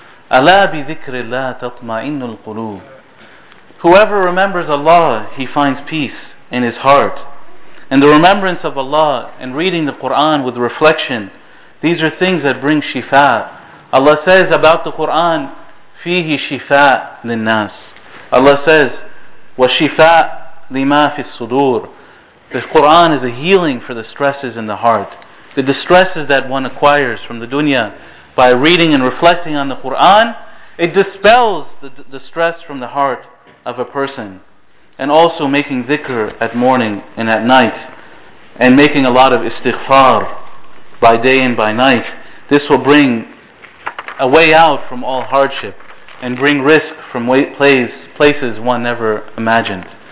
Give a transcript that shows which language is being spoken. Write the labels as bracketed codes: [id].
[ar] أَلَا بِذِكْرِ اللَّهِ تَطْمَعِنُّ الْقُلُوبِ. [en] Whoever remembers Allah, he finds peace in his heart. And the remembrance of Allah and reading the Qur'an with reflection, these are things that bring shifa. Allah says [ar] about the Qur'an, فِيهِ شِفَاء لِلنَّاسِ. [en] Allah says, [ar] وَشِفَاء لِمَا فِي الصُّدُورِ. [en] The Qur'an is a healing for the stresses in the heart. The distresses that one acquires from the dunya by reading and reflecting on the Qur'an, it dispels the stress from the heart of a person. And also making dhikr at morning and at night, and making a lot of istighfar by day and by night, this will bring a way out from all hardship and bring risk from places one never imagined.